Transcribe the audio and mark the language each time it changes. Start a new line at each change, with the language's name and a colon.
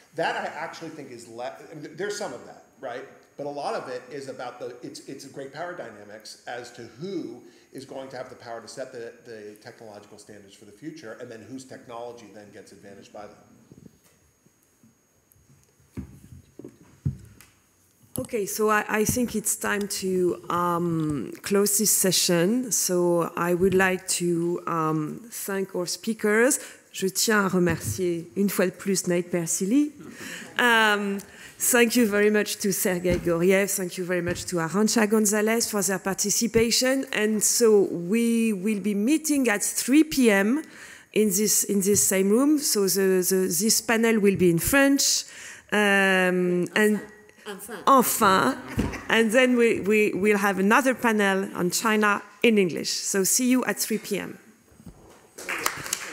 English: That I actually think is less, I mean, there's some of that, right? But a lot of it is about it's a great power dynamics as to who is going to have the power to set the technological standards for the future, and then whose technology then gets advantaged by them. Okay, so I think it's time to close this session. So I would like to thank our speakers.
French: Je tiens à remercier une fois de plus Naït Persili.
English: Thank you very much to Sergei Goriev. Thank you very much to Arantxa Gonzalez for their participation. And so we will be meeting at 3 p.m. in this same room. So this panel will be in French. And then we'll have another panel on China in English. So see you at 3 p.m.